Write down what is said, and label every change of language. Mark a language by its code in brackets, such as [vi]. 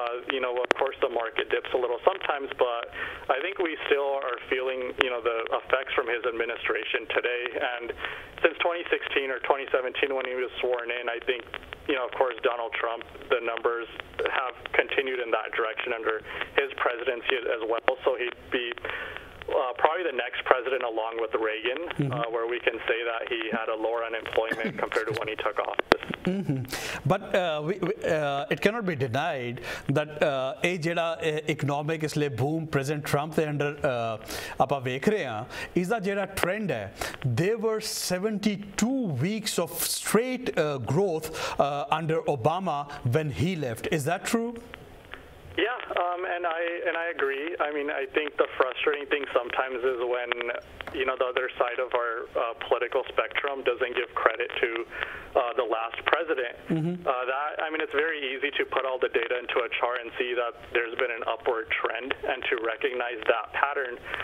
[en] You know, of course, the market dips a little sometimes, but I think we still are feeling you know the effects from his administration today, and since 2016 or 2017 when he was sworn in, I think, you know, of course, Donald Trump, the numbers have continued in that direction under his presidency as well. So he'd be probably the next president along with Reagan, where we can say that he had a lower unemployment compared to when he took office. But it cannot be denied that [pa] ਇਹ ਜਿਹੜਾ economic ਇਸ ਲਈ boom president Trump ਦੇ under ਆਪਾਂ ਵੇਖ ਰਹੇ ਹਾਂ, ਇਸ ਦਾ ਜਿਹੜਾ ਟ੍ਰੈਂਡ ਹੈ, [en] There were 72 weeks of straight growth under Obama when he left, is that true? Yeah, and I agree. I mean, I think the frustrating thing sometimes is when, you know, the other side of our political spectrum doesn't give credit to the last president. It's very easy to put all the data into a chart and see that there's been an upward trend and to recognize that pattern.